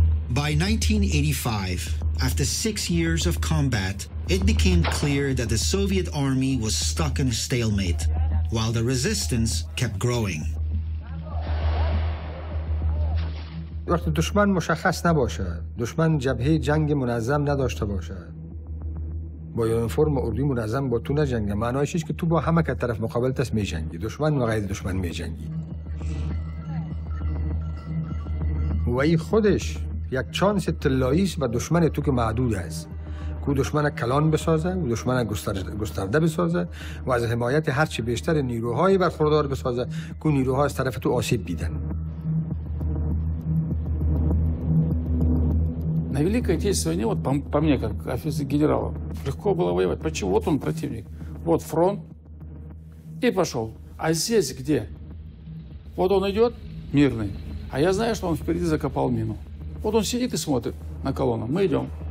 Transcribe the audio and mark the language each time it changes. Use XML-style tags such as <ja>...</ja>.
<en>By 1985, after 6 years of combat, it became clear that the Soviet army was stuck in a stalemate, while the resistance kept growing.</en> <fa>وقت دشمن مشخص نباشه، دشمن جبهه جنگ منظم نداشته باشه، با یونیفرم اردوی منظم با تو نجنگه، معنایش اینه که تو با همه که طرف مقابلت است میجنگی، دشمن و غیر دشمن میجنگی. و این خودش یک چانس طلایی است و دشمن تو که معدود است. او دشمن کلان بسازه، او دشمن گسترده بسازه و از حمایت هرچی بیشتر نیروهای برخوردار بسازه که نیروها از طرف تو آسیب بیدن.</fa> <ru>На великой отечественной войне, вот по мне, как офицер генерала, легко было воевать. Почему? Вот он противник. Вот фронт. И пошел. А здесь где? Вот он идет, мирный. А я знаю, что он впереди закопал мину. Вот он сидит и смотрит на колонну. Мы идем.</ru>